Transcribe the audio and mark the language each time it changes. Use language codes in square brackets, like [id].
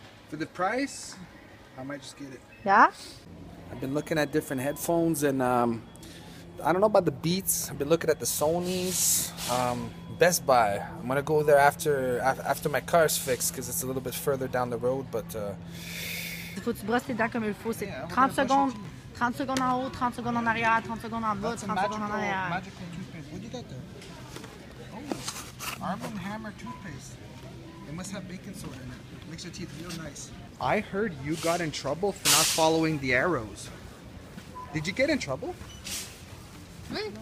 [en] For the price, I might just get it. Yeah? I've been looking at different headphones and I don't know about the Beats. I've been looking at the Sonys. Best Buy. I'm gonna go there after my car's fixed because it's a little bit further down the road, but [fr] il faut que tu brosses tes dents comme il faut. C'est 30 secondes, 30 secondes en haut, 30 secondes en arrière, 30 secondes en bas, 30 secondes en arrière. [en] Magical toothpaste. What do you got there? Oh, Arm & Hammer toothpaste. It must have baking soda in it. Makes your teeth real nice. I heard you got in trouble for not following the arrows. Did you get in trouble? Me?